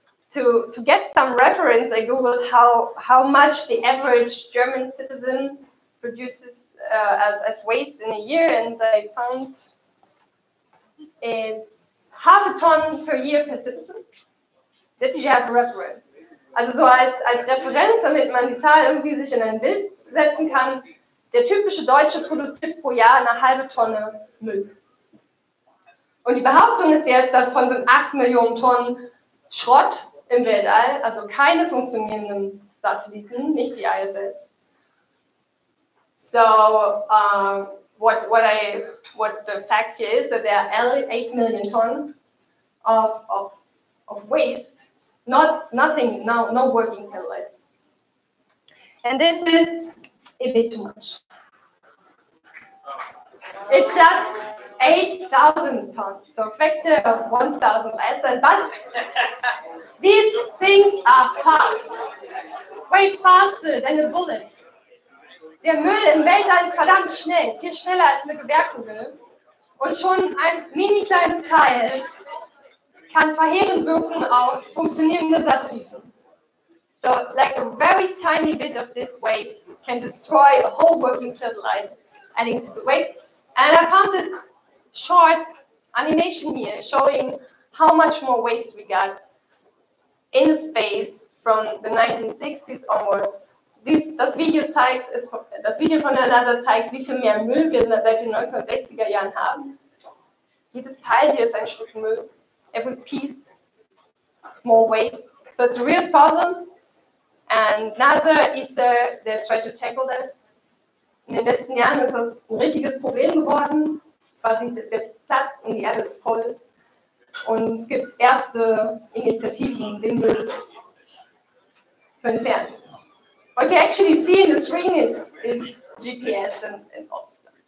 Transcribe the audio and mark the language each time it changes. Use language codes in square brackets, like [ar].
[en] To get some reference, I googled how much the average German citizen produces as waste in a year, and I found it's 0.5 ton per year per citizen. Did you have a reference? [de] Also so als Referenz, damit man die Zahl irgendwie sich in ein Bild setzen kann, der typische Deutsche produziert pro Jahr 0.5 Tonne Müll. Und die Behauptung ist jetzt, dass von so 8 Millionen Tonnen Schrott im Weltall, also keine funktionierenden Satelliten, nicht die ISS. [en] So, what the fact here is, that there are 8 million tons of waste, no working satellites. And this is a bit too much. It's just 8,000 tons, so factor of 1,000 less than, but these things are fast, way faster than a bullet. [de] Der Müll im Weltall ist verdammt schnell, viel schneller als eine Gewehrkugel. Und schon ein mini kleines Teil kann verheerend wirken auf funktionierende Satelliten. So, like a very tiny bit of this waste can destroy a whole working satellite, adding to the waste. [en] And I found this short animation here showing how much more waste we got in space from the 1960s onwards. [de] Das Video von der NASA zeigt, wie viel mehr Müll wir seit den 1960er Jahren haben. Jedes Teil hier ist ein Stück Müll. [en] Every piece is more waste. So it's a real problem. And NASA is there to try to tackle that. [de] In den letzten Jahren ist das ein richtiges Problem geworden. Quasi der Platz und die Erde ist voll. Und es gibt erste Initiativen, den Müll zu entfernen. [en] What you actually see in the screen is GPS and all this stuff.